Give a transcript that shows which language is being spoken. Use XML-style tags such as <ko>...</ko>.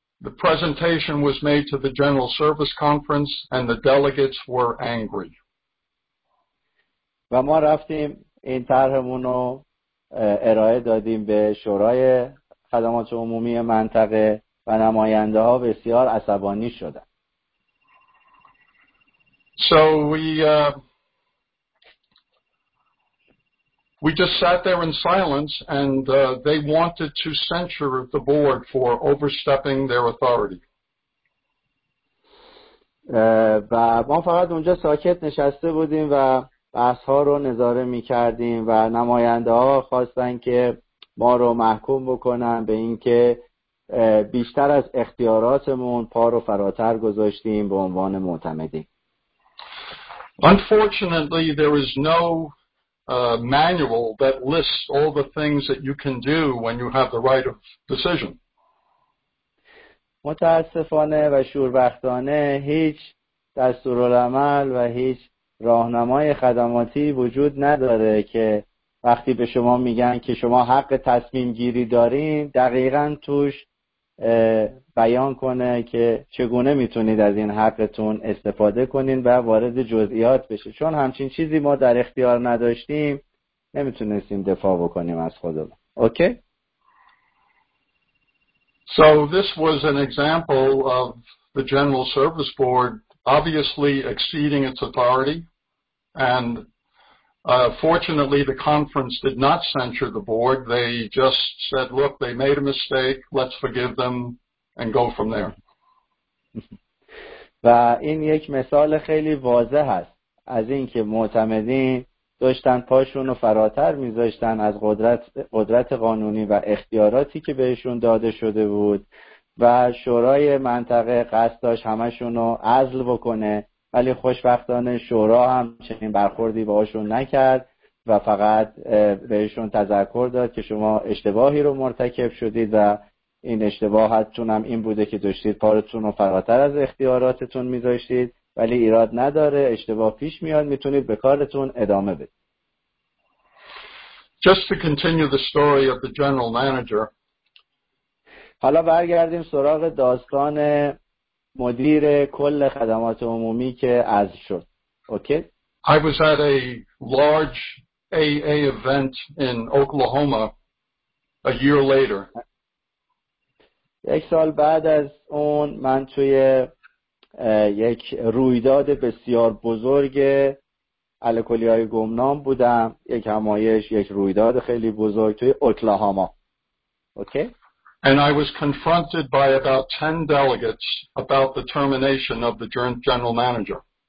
<en>The presentation was made to the General Service Conference and the delegates were angry.</en> <fa>و ما رفتیم این طرحمون رو ارائه دادیم به شورای خدمات عمومی منطقه و نماینده ها بسیار عصبانی شدند.</fa> <en>So we just sat there in silence and they wanted to censure the board for overstepping their authority.</en> <fa>و ما فقط اونجا ساکت نشسته بودیم و بحث ها رو نظاره می کردیم و نماینده ها خواستن که ما رو محکوم بکنن به اینکه بیشتر از اختیاراتمون پا رو فراتر گذاشتیم به عنوان معتمدین.</fa> <en>Unfortunately, there is no manual that lists all the things that you can do when you have the right of decision.</en> <fa>متاسفانه و شوربختانه هیچ دستورالعمل و هیچ راهنمای خدماتی وجود نداره که وقتی به شما میگن که شما حق تصمیم گیری دارین دقیقاً توش بیان کنه که چگونه میتونید از این حقتون استفاده کنین و وارد جزئیات بشه. چون همچین چیزی ما در اختیار نداشتیم نمیتونستیم دفاع بکنیم از خودمون.</fa> <en>Okay? So this was an example of the General Service Board obviously exceeding its authority and fortunately, the conference did not censure the board. They just said, look, they made a mistake. Let's forgive them and go from there.</en> <fa>و این یک مثال خیلی واضح است از اینکه معتمدین داشتن پاشون رو فراتر میذاشتن از قدرت قانونی و اختیاراتی که بهشون داده شده بود و شورای منطقه قصد داشت همشون رو عزل بکنه ولی خوشبختانه شورا هم چنین برخوردی باهاشون نکرد و فقط بهشون تذکر داد که شما اشتباهی رو مرتکب شدید و این اشتباهتون هم این بوده که داشتید پارتون رو فراتر از اختیاراتتون میذاشتید ولی ایراد نداره، اشتباه پیش میاد، میتونید به کارتون ادامه بدید.</fa> <en>Just to continue the story of the general manager.</en> <fa>حالا برگردیم سراغ داستان مدیر کل خدمات عمومی که عزل شد.</fa> <en>Okay? I was at a large AA event in Oklahoma a year later.</en> <fa>یک سال بعد از اون من توی یک رویداد بسیار بزرگ الکلی‌های گمنام بودم، یک همایش، یک رویداد خیلی بزرگ توی اوکلاهاما.</fa> <en>Okay? And I was confronted by about 10 delegates about the termination of the general manager.</en>